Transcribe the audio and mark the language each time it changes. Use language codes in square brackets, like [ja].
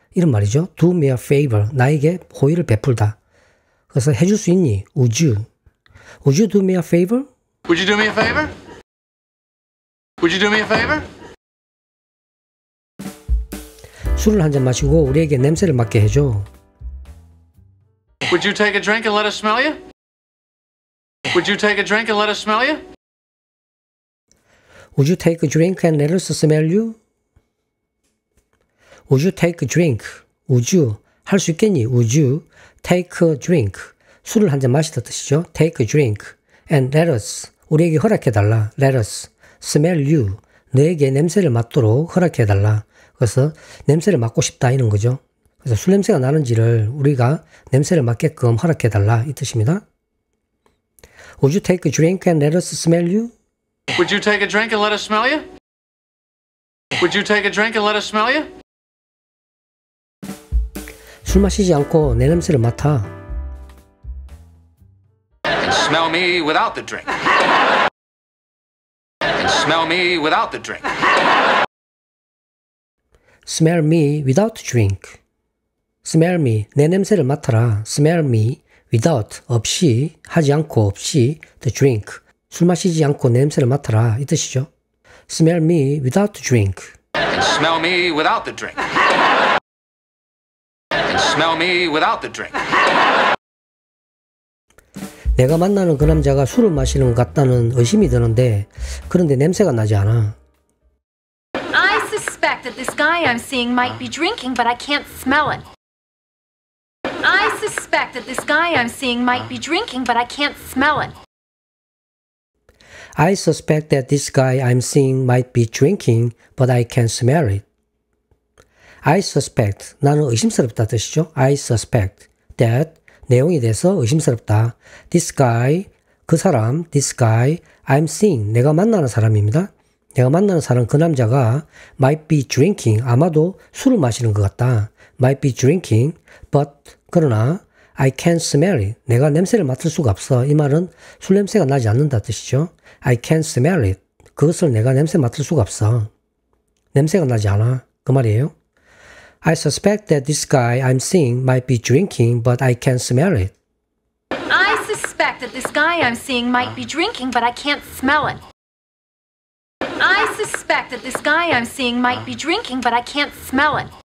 [ko] 이런 말이죠. [en] Do me a favor. [ko] 나에게 호의를 베풀다. 그래서 해줄 수 있니? [en] Would you? Would you do me a favor? Would you do me a favor? Would you do me a favor? [ko] 술을 한잔 마시고 우리에게 냄새를 맡게 해줘. [en] Would you take a drink and let us smell you? Would you take a drink and let us smell you? Would you take a drink and let us smell you? Would you take a drink? Would you? [ko] 할 수 있겠니? [en] Would you take a drink? [ko] 술을 한잔 마시다 뜻이죠. [en] Take a drink and let us. [ko] 우리에게 허락해달라. [en] Let us smell you. [ko] 너에게 냄새를 맡도록 허락해달라. 그래서 냄새를 맡고 싶다 이런 거죠. 그래서 술 냄새가 나는지를 우리가 냄새를 맡게끔 허락해달라 이 뜻입니다. [en] Would you take a drink and let us smell you? Would you take a drink and let us smell you? Would you take a drink and let us smell you? [ko] 술 마시지 않고 내 냄새를 맡아. [en] Smell me without the drink. And smell me without the drink. Smell me without drink. Smell me. [ko] 내 냄새를 맡아라. [en] Smell me without. [ko] 없이. 하지 않고 없이. [en] The drink. [ko] 술 마시지 않고 내 냄새를 맡아라. 이 뜻이죠. [en] Smell me without drink. And smell me without the drink. And smell me without the drink. [ko] 내가 만나는 그 남자가 술을 마시는 것 같다는 의심이 드는데 그런데 냄새가 나지 않아. [en] I suspect that this guy I'm seeing might be drinking, but I can't smell it. I suspect that this guy I'm seeing might be drinking, but I can't smell it. I suspect that this guy I'm seeing might be drinking, but I can't smell it. I suspect [ko] 나는 의심스럽다 뜻이죠. [en] I suspect that [ko] 내용에 대해서 의심스럽다. [en] This guy, [ko] 그 사람, [en] this guy, I'm seeing, [ko] 내가 만나는 사람입니다. 내가 만나는 사람, 그 남자가 [en] might be drinking, [ko] 아마도 술을 마시는 것 같다. [en] Might be drinking, but, [ko] 그러나, [en] I can't smell it. [ko] 내가 냄새를 맡을 수가 없어. 이 말은 술 냄새가 나지 않는다 뜻이죠. [en] I can't smell it. [ko] 그것을 내가 냄새 맡을 수가 없어. 냄새가 나지 않아. 그 말이에요. [en] I suspect that this guy I'm seeing might be drinking, but I can't smell it. I suspect suspect that this guy I'm seeing might be drinking, but I can't smell it. I suspect that this guy I'm seeing might be drinking, but I can't smell it.